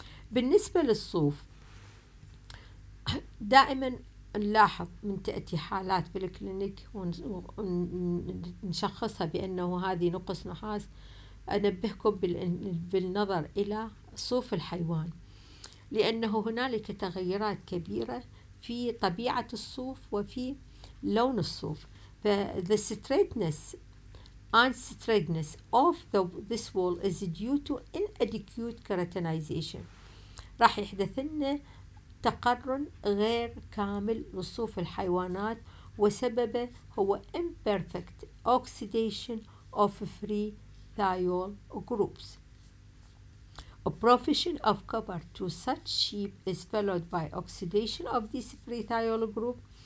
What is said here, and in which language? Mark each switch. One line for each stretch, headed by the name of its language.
Arabic: بالنسبة للصوف دائما نلاحظ من تأتي حالات في الكلينيك ونشخصها بأنه هذه نقص نحاس. أنبهكم بالنظر إلى صوف الحيوان لأنه هنالك تغيرات كبيرة في طبيعة الصوف وفي لون الصوف.
English: فthe straightness and straightness of this wall is due to inadequate keratinization.
Arabic: راح يحدث لنا تقرن غير كامل لصوف الحيوانات وسببه هو
English: imperfect oxidation of free thiol groups. A provision of copper to such sheep is followed by oxidation of this free thiol group.